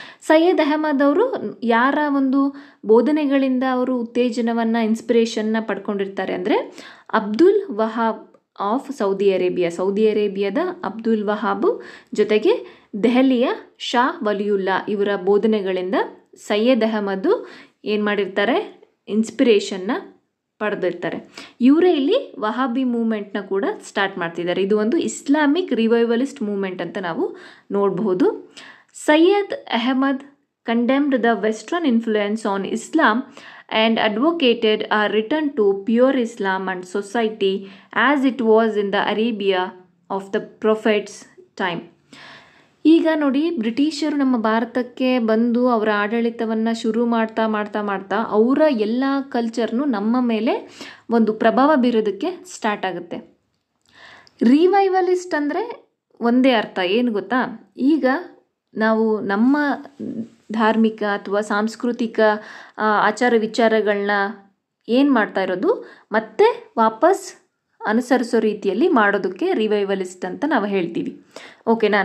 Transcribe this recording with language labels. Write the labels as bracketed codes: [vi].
[kn] ಸೈಯದ್ ಅಹಮದ್ ಅವರು ಯಾರ ಒಂದು ಬೋಧನೆಗಳಿಂದ ಅವರು ಉತ್ತೇಜನವನ್ನು, ಇನ್ಸ್ಪಿರೇಷನ್ನ ಪಡ್ಕೊಂಡಿರ್ತಾರೆ ಅಂದರೆ, Abdul Wahab of Saudi Arabia, Saudi ಅರೇಬಿಯಾದ ಅಬ್ದುಲ್ ವಹಾಬ್ ಜೊತೆಗೆ ದೆಹಲಿಯ ಶಾ ವಲಿಯುಲ್ಲಾ ಇವರ ಬೋಧನೆಗಳಿಂದ ಸೈಯದ್ ಅಹಮದ್ ಏನು ಮಾಡಿರ್ತಾರೆ, ಇನ್ಸ್ಪಿರೇಷನ್ನ ಪಡೆದಿರ್ತಾರೆ. ಇವರೇ ಇಲ್ಲಿ ವಹಾಬಿ ಮೂಮೆಂಟ್ನ ಕೂಡ ಸ್ಟಾರ್ಟ್ ಮಾಡ್ತಿದ್ದಾರೆ. ಇದು ಒಂದು ಇಸ್ಲಾಮಿಕ್ ರಿವೈವಲಿಸ್ಟ್ ಮೂಮೆಂಟ್ ಅಂತ ನಾವು ನೋಡಬಹುದು. [en] Syed Ahmad condemned the western influence on Islam and advocated a return to pure Islam and society as it was in the Arabia of the Prophet's time. [kn] ಈಗ ನೋಡಿ, ಬ್ರಿಟಿಷರು ನಮ್ಮ ಭಾರತಕ್ಕೆ ಬಂದು ಅವರ ಆಡಳಿತವನ್ನು ಶುರು ಮಾಡ್ತಾ ಮಾಡ್ತಾ ಮಾಡ್ತಾ ಅವರ ಎಲ್ಲ ಕಲ್ಚರ್ನು ನಮ್ಮ ಮೇಲೆ ಒಂದು ಪ್ರಭಾವ ಬೀರೋದಕ್ಕೆ ಸ್ಟಾರ್ಟ್ ಆಗುತ್ತೆ. ರಿವೈವಲಿಸ್ಟ್ ಅಂದರೆ ಒಂದೇ ಅರ್ಥ, ಏನು ಗೊತ್ತಾ? ಈಗ ನಾವು ನಮ್ಮ ಧಾರ್ಮಿಕ ಅಥವಾ ಸಾಂಸ್ಕೃತಿಕ ಆಚಾರ ವಿಚಾರಗಳನ್ನ ಏನು ಮಾಡ್ತಾ ಇರೋದು, ಮತ್ತೆ ವಾಪಸ್ ಅನುಸರಿಸೋ ರೀತಿಯಲ್ಲಿ ಮಾಡೋದಕ್ಕೆ ರಿವೈವಲಿಸ್ಟ್ ಅಂತ ನಾವು ಹೇಳ್ತೀವಿ. ಓಕೆನಾ?